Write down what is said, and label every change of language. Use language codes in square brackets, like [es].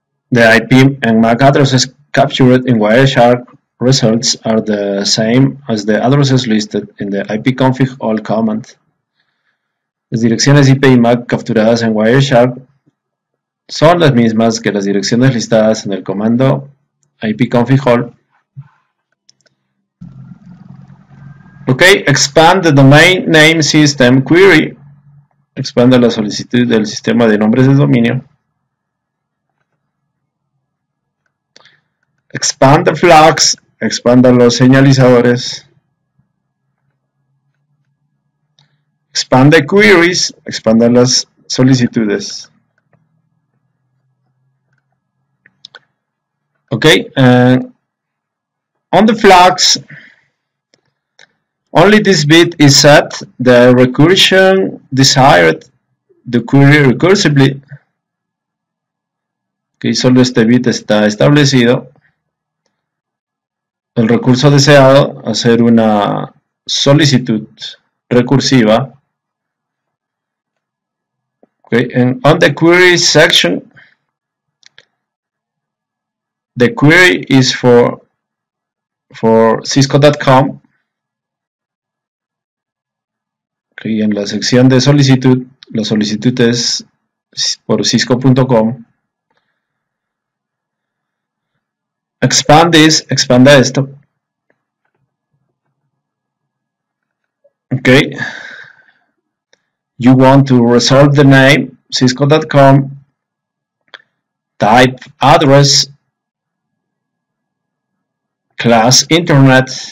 [en] The IP and MAC addresses captured in Wireshark results are the same as the addresses listed in the ipconfig all command. [es] Las direcciones IP y MAC capturadas en Wireshark son las mismas que las direcciones listadas en el comando ipconfig all. [en] Okay, expand the domain name system query. [es] Expande la solicitud del sistema de nombres de dominio. [en] Expand the flags, [es] expanda los señalizadores. [en] Expand the queries, [es] expanda las solicitudes. [en] Okay, on the flags, only this bit is set, the recursion desired, the query recursively. [es] solo este bit está establecido, el recurso deseado hacer una solicitud recursiva. [en] Okay. En on the query section, the query is for Cisco.com. Okay. [es] En la sección de solicitud, la solicitud es por Cisco.com. Expanda esto. [en] Okay. You want to reserve the name cisco.com, type address, class internet.